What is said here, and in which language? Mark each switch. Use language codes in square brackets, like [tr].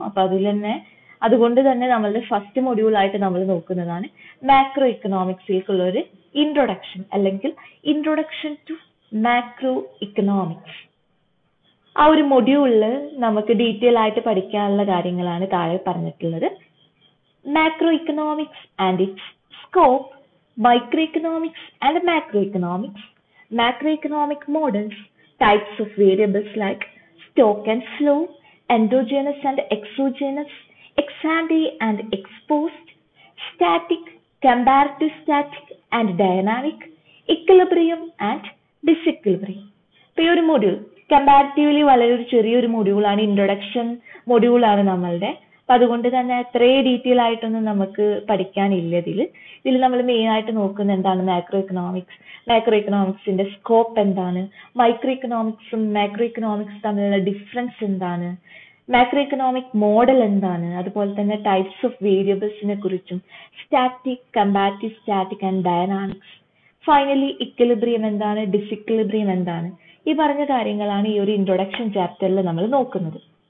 [ml] അപ്പൊ അതിൽ തന്നെ അതുകൊണ്ട് തന്നെ നമ്മളുടെ ഫസ്റ്റ് മൊഡ്യൂളായിട്ട് നമ്മൾ നോക്കുന്നതാണ് മാക്രോ ഇക്കണോമിക്സിലേക്കുള്ള ഒരു ഇൻട്രൊഡക്ഷൻ, അല്ലെങ്കിൽ ഇൻട്രൊഡക്ഷൻ ടു മാക്രോ ഇക്കണോമിക്സ്. ആ ഒരു മൊഡ്യൂളില് നമുക്ക് ഡീറ്റെയിൽ ആയിട്ട് പഠിക്കാനുള്ള കാര്യങ്ങളാണ് താഴെ പറഞ്ഞിട്ടുള്ളത്. [en] Macro economics and its scope, micro economics and macro economics, macro economic models, types of variables like stock and flow, endogenous and exogenous, ex ante and ex post, static, comparative static and dynamic, equilibrium and disequilibrium. [ml] ഇപ്പൊ ഈ ഒരു module comparatively വളരെ ഒരു ചെറിയൊരു മൊഡ്യൂളാണ്, introduction മൊഡ്യൂളാണ് നമ്മളുടെ. അപ്പൊ അതുകൊണ്ട് തന്നെ അത്രേ ഡീറ്റെയിൽ ആയിട്ടൊന്നും നമുക്ക് പഠിക്കാനില്ല ഇതിൽ. ഇതിൽ നമ്മൾ മെയിൻ ആയിട്ട് നോക്കുന്ന എന്താണ് മാക്രോ ഇക്കണോമിക്സ്, മാക്രോ ഇക്കണോമിക്സിന്റെ സ്കോപ്പ് എന്താണ്, മൈക്രോ ഇക്കണോമിക്സും മാക്രോ ഇക്കണോമിക്സ് തമ്മിലുള്ള ഡിഫറൻസ് എന്താണ്, മാക്രോ ഇക്കണോമിക് മോഡൽ എന്താണ്, അതുപോലെ തന്നെ ടൈപ്സ് ഓഫ് വേരിയബിൾസിനെ കുറിച്ചും, static, comparative static and dynamics, finally equilibrium എന്താണ്, ഡിസ്ഇക്വിലിബ്രിയം എന്താണ്, ഈ പറഞ്ഞ കാര്യങ്ങളാണ് ഈ ഒരു ഇൻട്രൊഡക്ഷൻ ചാപ്റ്ററിൽ നമ്മൾ നോക്കുന്നത്.